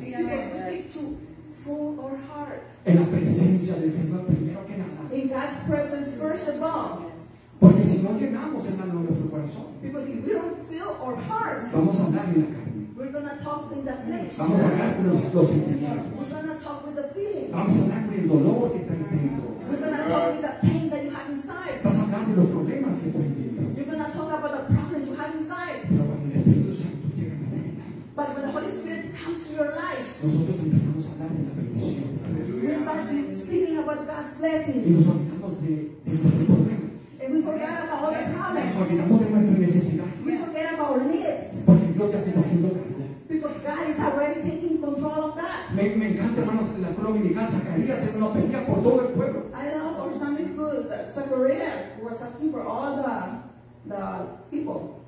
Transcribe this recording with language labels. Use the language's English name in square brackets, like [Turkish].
[English] See, I want to seek to full our heart. [Spanish] En la presencia del Señor primero que nada. [English] In God's presence first of all. [Spanish] Porque si no llenamos el alma de nuestro corazón. [English] Because if we don't fill our hearts. [Spanish] Vamos a hablar en la carne. [English] We're gonna talk with the flesh. [Spanish] Vamos a hablar con los sentimientos. Vamos a hablar con el dolor que estás sintiendo. [English] We're gonna talk with the pain that you have inside. [Spanish] Vas a hablar de los problemas que estás viviendo. [English] You're gonna talk about the problems you have inside. [Spanish] Pero cuando el Espíritu Santo llega a tu vida. [English] But when the Holy Spirit comes to your life. [Spanish] Nosotros empezamos a hablar de la bendición. [English] We start speaking about God's blessing. [Spanish] Y nos olvidamos de nuestros problemas. [English] And we forget about all the problems. [Spanish] Nos olvidamos de nuestra necesidad. [English] We forget about our needs. [Spanish] Porque Dios ya se está haciendo cargo. [English] Because God is already taking control of that. [Spanish] Me encanta, hermanos, la Cruz Dominical, Zacarías, hermano, pedía por todo el pueblo. [English] I love our Sunday school, Zacarías, was asking for all the people.